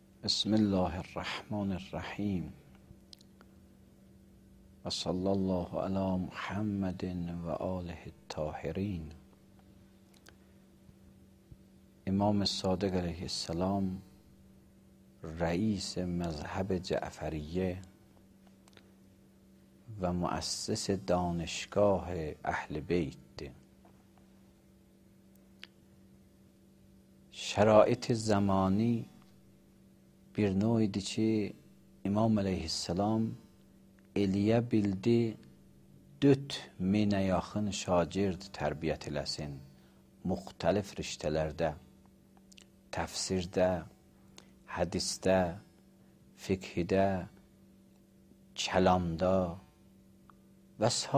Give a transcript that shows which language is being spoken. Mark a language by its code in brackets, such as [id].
[ar] بسم الله الرحمن الرحيم وصلى الله على محمد وآله الطاهرين. [fa] امام صادق علیه السلام رئیس مذهب جعفریه و مؤسس دانشگاه اهل بیت. شرایط زمانی [az] bir nöy idi ki, İmam aleyhisselam eliyə bildi, dört minə yaxın şagird tərbiyyət eləsin müxtəlif rişdələrdə, təfsirdə, hədistə, fikhidə, kəlamda və s.